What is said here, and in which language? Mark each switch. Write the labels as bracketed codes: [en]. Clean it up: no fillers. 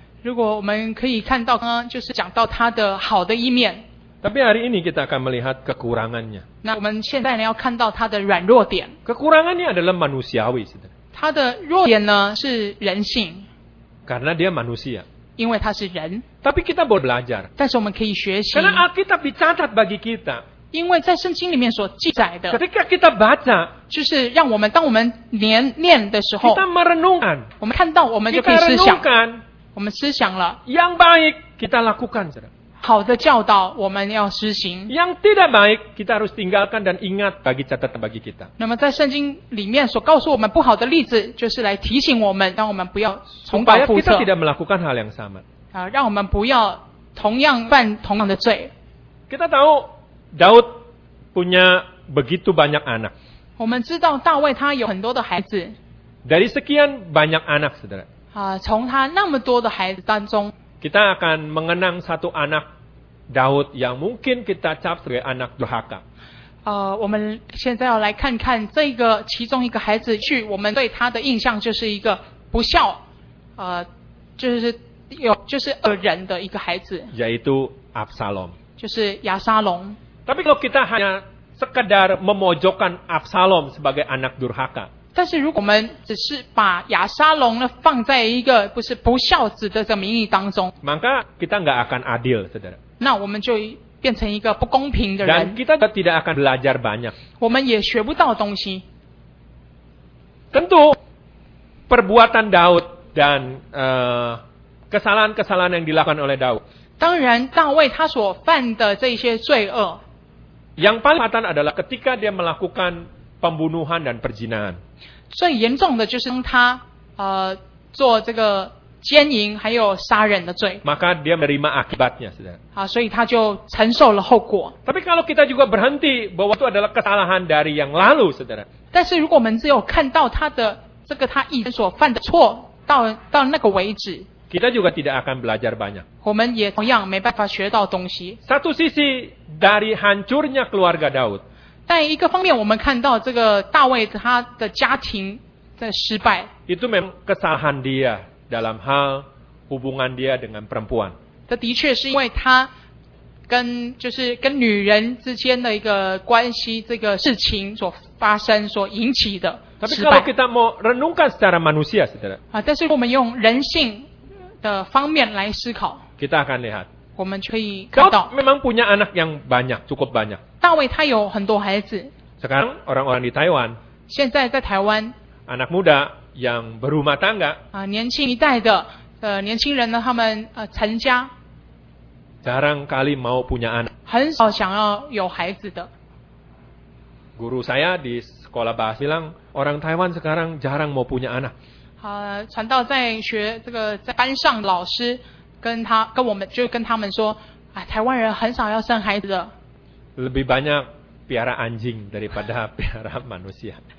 [zh] 如果我们可以看到刚刚就是讲到他的好的一面。 [id] Tapi hari ini kita akan melihat kekurangannya. [zh] 那我们现在呢要看到他的软弱点。 [id] Kekurangannya adalah manusiawi. [zh] 他的弱点呢是人性。 [id] Karena dia manusia. [zh] 因为他是人。 [id] Tapi kita boleh belajar. [zh] 但是我们可以学习。 [id] Karena Alkitab dicatat bagi kita. [zh] 因为在圣经里面所记载的。 [id] Ketika kita baca. [zh] 就是让我们当我们念的时候。 [id] Kita merenungkan. [zh] 我们看到我们就可以思想。 [id] Kita renungkan. [zh] 我们思想了。 [id] Yang baik kita lakukan. [zh] 好的教导我们要实行。 [id] Yang tidak baik kita harus tinggalkan dan ingat bagi catatan bagi kita。 [zh] 那么在圣经里面所告诉我们不好的例子，就是来提醒我们，让我们不要重蹈覆辙。 [id] Supaya kita tidak melakukan hal yang sama。 [zh] 啊，让我们不要同样犯同样的罪。 [id] Kita tahu Daud punya begitu banyak anak。 [zh] 我们知道大卫他有很多的孩子。 [id] Dari sekian banyak anak, saudara。 [zh] 啊，从他那么多的孩子当中。 [id] Kita akan mengenang satu anak Daud yang mungkin kita cap sebagai anak durhaka. [zh] 我们现在要来看看这个其中一个孩子，去我们对他的印象就是一个不孝，就是恶人的一个孩子。 [id] Yaitu Absalom. [zh] 就是亚沙龙。 [id] Tapi kalau kita hanya sekedar memojokkan Absalom sebagai anak durhaka. [zh] 但是如果我们只是把亚沙龙呢放在一个不是不孝子的这个名义当中， [id] maka kita enggak akan adil, saudara. [zh] 那我们就变成一个不公平的人。 [id] Dan kita tidak akan belajar banyak. [zh] 我们也学不到东西。 [id] Tentu perbuatan Daud dan kesalahan-kesalahan yang dilakukan oleh Daud. [zh] 当然，大卫他所犯的这些罪恶。 [id] Yang paling fatal adalah ketika dia melakukan pembunuhan dan perzinahan. [zh] 最严重的就是他做这个奸淫还有杀人的罪。 [id] Maka dia menerima akibatnya, saudara. [zh] 所以他就承受了后果。 [id] Tapi kalau kita juga berhenti bahwa itu adalah kesalahan dari yang lalu, saudara. [zh] 但是如果我们只有看到他的这个他以前所犯的错到那个为止。 [id] Kita juga tidak akan belajar banyak. [zh] 我们也同样没办法学到东西。 [id] Satu sisi dari hancurnya keluarga Daud. [zh] 但一个方面我们看到这个大卫他的家庭在失败。 [id] Itu memang kesalahan dia dalam hal hubungan dia dengan perempuan. [zh] 这的确是因为他跟女人之间的一个关系这个事情所发生所引起的失败。 [id] Tapi kalau kita mau renungkan secara manusia, saudara. [zh] 但是我们用人性的方面来思考。 [id] Kita akan lihat. [zh] 我们可以看到。 [id] memang punya anak yang banyak, cukup banyak. [zh] 大卫他有很多孩子。 [id] Sekarang orang-orang di Taiwan. [zh] 现在在台湾。 [id] Anak muda yang berumah tangga. [zh] 年轻一代的年轻人呢，他们成家。 [id] Jarang kali mau punya anak. [zh] 很少想要有孩子的。 [id] Guru saya di sekolah bahasa bilang orang Taiwan sekarang jarang mau punya anak. [zh] 传道在学这个在班上老师跟他跟我们就跟他们说啊，台湾人很少要生孩子的。 [id] Lebih banyak piara anjing daripada piara manusia.